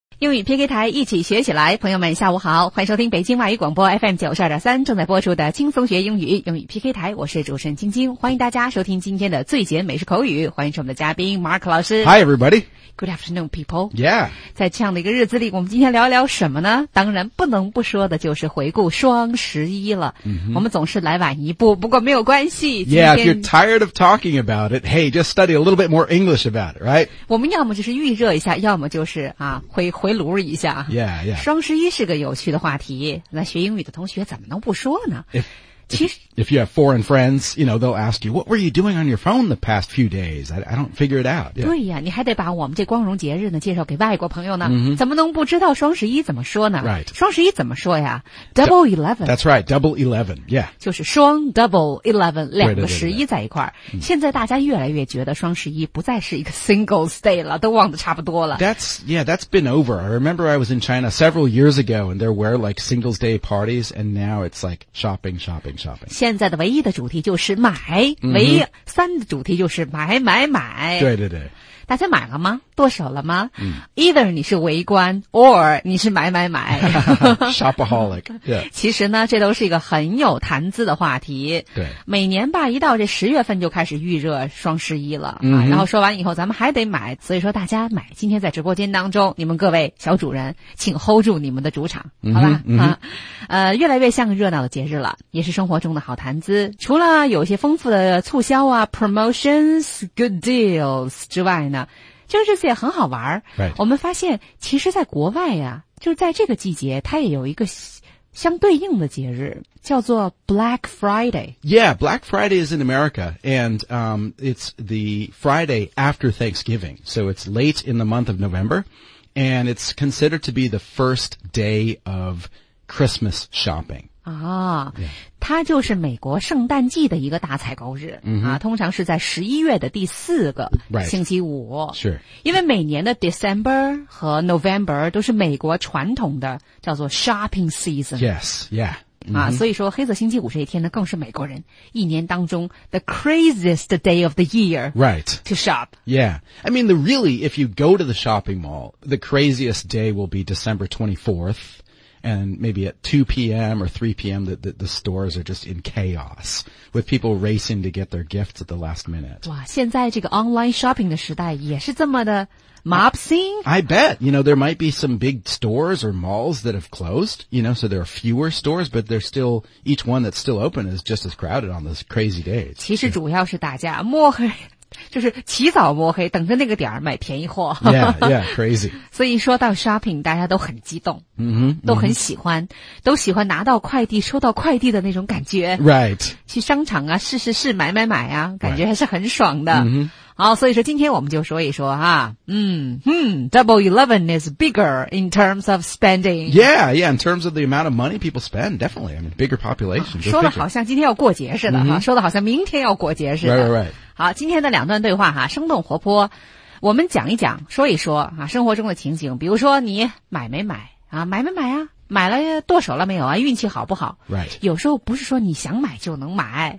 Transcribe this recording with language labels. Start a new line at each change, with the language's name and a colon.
Chinese: 英语 PK 台一起学起来，朋友们下午好，欢迎收听北京外语广播 FM92.3 正在播出的轻松学英语英语 PK 台，我是主持人晶晶，欢迎大家收听今天的最简美式口语，欢迎我们的嘉宾 Mark 老师。
English: Hi everybody. Good afternoon people. Yeah.
Chinese: 在这样的一个日子里，我们今天聊一聊什么呢？当然不能不说的就是回顾双十一了、 mm-hmm. 我们总是来晚一步，不过没有关系。
English: Yeah, if you're tired of talking about it, hey, just study a little bit more English about it, right?
Chinese: 我们要么就是预热一下，要么就是啊回炉一下。
English: Yeah, yeah.
Chinese: 双十一是个有趣的话题，那学英语的同学怎么能不说呢？
English: If you have foreign friends, you know, they'll ask you, what were you doing on your phone the past few days? I don't figure it out.、Yeah.
Chinese: 对呀，你还得把我们这光荣节日呢介绍给外国朋友呢、 mm-hmm. 怎么能不知道双十一怎么说呢？
English: Right.
Chinese: 双十一怎么说呀？Double Eleven.
English: That's right, Double Eleven, yeah.
Chinese: 就是双 Double Eleven, 两个十一在一块儿。现在大家越来越觉得双十一不再是一个 Singles Day 了，都忘得差不多了。
English: That's been over. I remember I was in China several years ago and there were like Singles Day parties and now it's like shopping.
Chinese: 现在的唯一的主题就是买、 mm-hmm. 唯一三的主题就是买买买对对对大家买了吗剁手了吗、 mm. Either 你是围观 or 你是买买买
English: Shopaholic、yeah.
Chinese: 其实呢这都是一个很有谈资的话题对每年吧一到这十月份就开始预热双十一了、 mm-hmm. 啊、然后说完以后咱们还得买所以说大家买今天在直播间当中你们各位小主人请 hold 住你们的主场好吧、 mm-hmm. 啊、越来越像热闹的节日了也是生活中的好谈资除了有些丰富的促销啊
English: promotions good deals
Chinese: 之外呢就是这些很好玩、
English: right.
Chinese: 我们发现其实在国外啊就是在这个季节它也有一个相对应的节日叫做 Black Friday.
English: Yeah, Black Friday is in America, and, it's the Friday after Thanksgiving. So it's late in the month of November, and it's considered to be the first day of Christmas shopping. 啊、 yeah.
Chinese: 它就是美国圣诞季的一个大采购日、 mm-hmm. 啊，通常是在11月的第四个星期五、
English: right. sure.
Chinese: 因为每年的 December 和 November 都是美国传统的叫做 shopping season
English: yes yeah、
Chinese: mm-hmm. 啊，所以说黑色星期五这一天呢更是美国人一年当中
English: the craziest day of the year right to shop yeah I mean the really if you go to the shopping mall the craziest day will be December 24thAnd maybe at 2 p.m. or 3 p.m. the stores are just in chaos with people racing to get their gifts at the last minute.
Chinese: 哇，现在这个
English: online shopping
Chinese: 的时代也是这么的
English: mob scene? I bet. You know, there might be some big stores or malls that have closed, you know, so there are fewer stores, but they're still, each one that's still open is just as crowded on those crazy days.
Chinese: 其实主要是大家摸黑。就是起早摸黑等着那个点儿买便宜货
English: yeah crazy
Chinese: 所以说到 shopping 大家都很激动、 mm-hmm, mm-hmm. 都很喜欢都喜欢拿到快递收到快递的那种感觉
English: right
Chinese: 去商场啊试试试买买买啊感觉还是很爽的、 mm-hmm. 好所以说今天我们就说一说哈、
English: Double Eleven is bigger in terms of spending yeah in terms of the amount of money people spend definitely I mean bigger population、
Chinese: 啊、说的好像今天要过节似的、 mm-hmm. 说的好像明天要过节似的
English: right
Chinese: 好，今天的两段对话哈，生动活泼。我们讲一讲，说一说啊，生活中的情景，比如说你买没买啊，买没买啊，买了剁手了没有啊，运气好不好
English: ？Right，
Chinese: 有时候不是说你想买就能买。